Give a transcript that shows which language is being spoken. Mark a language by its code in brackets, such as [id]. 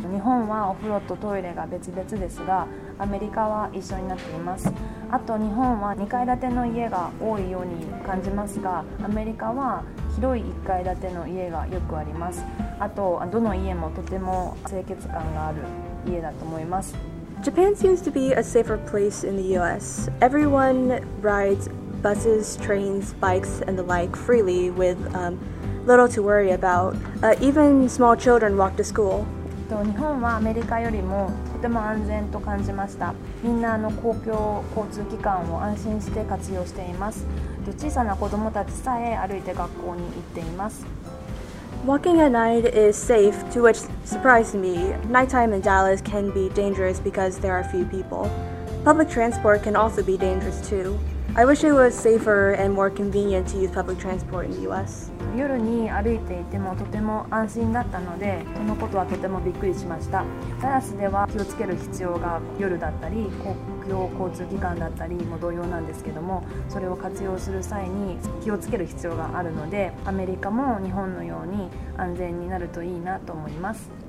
[ja] 日本はお風呂とトイレが別々ですが、アメリカは一緒になっています。あと日本は2階建ての家が多いように感じますが、アメリカは広い1階建ての家がよくあります。あとどの家もとても清潔感がある家だと思います。 [en] Japan seems to be a safer place in the US. Everyone rides buses, trains, bikes, and the like freely with little to worry about. Even small children walk to school. [ja] 日本はアメリカよりもとても安全と感じました。みんなの公共交通機関を安心して活用しています。小さな子供たちさえ歩いて学校に行っています。 [en] Walking at night is safe, to which surprised me. Nighttime in Dallas can be dangerous because there are few people. Public transport can also be dangerous too. I wish it was safer and more convenient to use public transport in the US. [ja] 夜に歩いていてもとても安心だったので、そのことはとてもびっくりしました。ダラスでは気をつける必要が夜だったり、公共交通機関だったりも同様なんですけども、それを活用する際に気をつける必要があるので、アメリカも日本のように安全になるといいなと思います。